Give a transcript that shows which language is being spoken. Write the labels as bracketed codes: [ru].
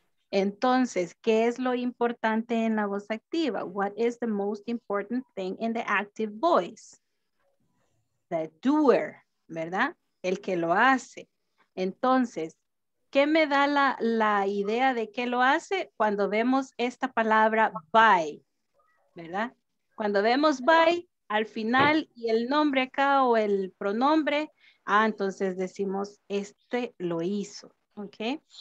[es] Entonces, ¿qué es lo importante en la voz activa? [en] What is the most important thing in the active voice? The doer, [es] ¿verdad? El que lo hace. Entonces, ¿qué me da la idea de qué lo hace? Cuando vemos esta palabra by, ¿verdad? Cuando vemos by, al final, y el nombre acá o el pronombre, entonces decimos, este lo hizo, ¿ok?